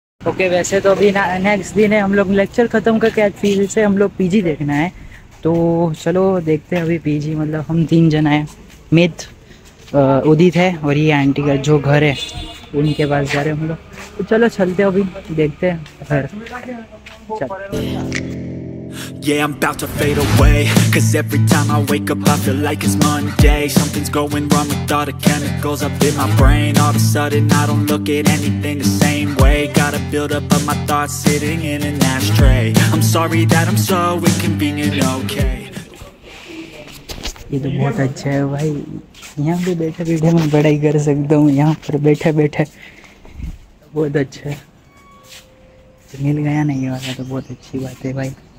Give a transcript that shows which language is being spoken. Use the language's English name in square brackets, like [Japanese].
[Hindi] Okay वैसे तो अभी ना नेक्स्ट दिन है, हम लोग लेक्चर खत्म करके फिर से हम लोग पीजी देखना है, तो चलो देखते हैं अभी पीजी। मतलब हम तीन जना है, मित उदित है और ये आंटी का जो घर है उनके पास जा रहे हैं हम लोग, तो चलो चलते अभी देखते हैं घर। [English] Yeah, I'm about to fade away. Cause every time I wake up, I feel like it's Monday. Something's going wrong with all the chemicals up in my brain. All of a sudden, I don't look at anything the same way. Gotta build up of my thoughts sitting in an ashtray. I'm sorry that I'm so inconvenient, okay. [Hindi] ये तो बहुत अच्छा है भाई, यहाँ पे बैठे बैठे मैं बड़ा ही कर सकता हूँ, यहाँ पर बैठे बैठे बहुत अच्छा है। मिल गया नहीं वाला तो बहुत अच्छी बात है भाई।